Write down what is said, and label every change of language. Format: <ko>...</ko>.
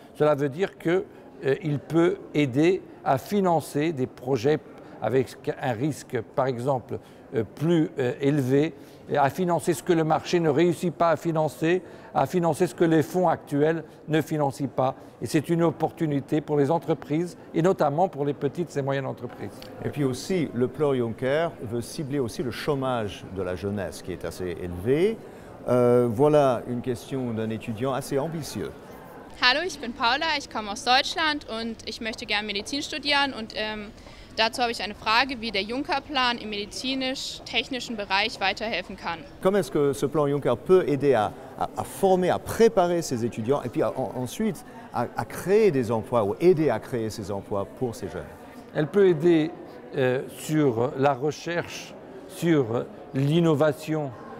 <fr>Cela veut dire qu'il peut aider à financer des projets avec un risque, par exemple, plus élevé, à financer ce que le marché ne réussit pas à financer ce que les fonds actuels ne financent pas. Et c'est une opportunité pour les entreprises et notamment pour les petites et moyennes entreprises. Et puis aussi, le plan Juncker veut cibler aussi le chômage de la jeunesse qui est assez élevé. Voilà une question d'un étudiant assez ambitieux.</fr> <de>Hallo, ich bin Paula, ich komme aus Deutschland und ich möchte gerne Medizin studieren und dazu habe ich eine Frage, wie der Juncker-Plan im medizinisch-technischen Bereich weiterhelfen kann.</de> <fr>Comment est-ce que ce plan Juncker peut aider à former, à préparer ces étudiants et puis ensuite à créer des emplois ou aider à créer ces emplois pour ces jeunes? Elle peut aider sur la recherche, sur l'innovation.</fr>